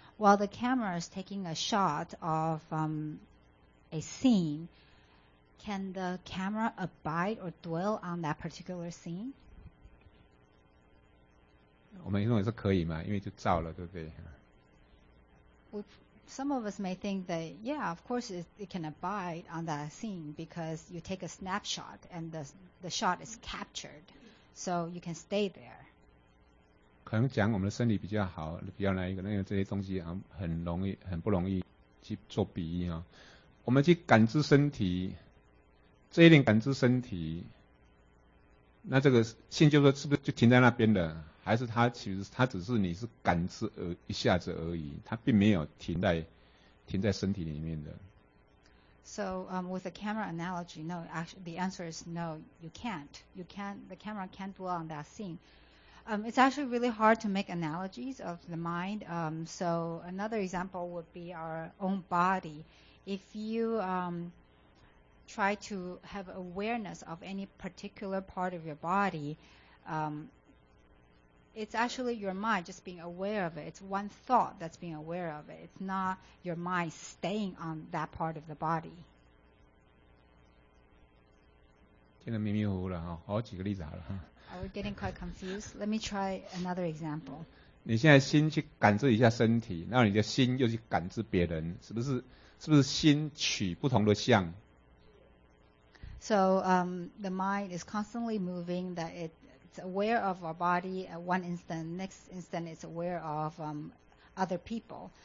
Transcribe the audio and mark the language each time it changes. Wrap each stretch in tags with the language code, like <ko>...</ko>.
<en>While the camera is taking a shot of a scene, can the camera abide or dwell on that particular scene?</en> <zh>我们认为是可以嘛，因为就照了，对不对？</zh> <en>Some of us may think that, yeah, of course it can abide on that scene because you take a snapshot and the shot is captured, so you can stay there.</en> <zh>可能讲我们的身体比较好，比较来一个，因为这些东西很容易，很不容易去做比喻啊。我们去感知身体，这一点感知身体，那这个心就说是不是就停在那边的？还是它其实它只是你是感知一下子而已，它并没有停在身体里面的。</zh> <en>So with the camera analogy, no. Actually, the answer is no. You can't. You can't. The camera can't dwell on that scene. It's actually really hard to make analogies of the mind. So another example would be our own body. If you try to have awareness of any particular part of your body, it's actually your mind just being aware of it. It's one thought that's being aware of it. It's not your mind staying on that part of the body.</en> <zh>听得迷迷糊糊了，好几个例子好了。</zh> <en>We're getting quite confused. Let me try another example.</en> <zh>你现在心去感知一下身体，然后你的心又去感知别人，是不是心取不同的相？</zh> <en>So the mind is constantly moving. That it's aware of our body at one instant, next instant it's aware of other people.</en>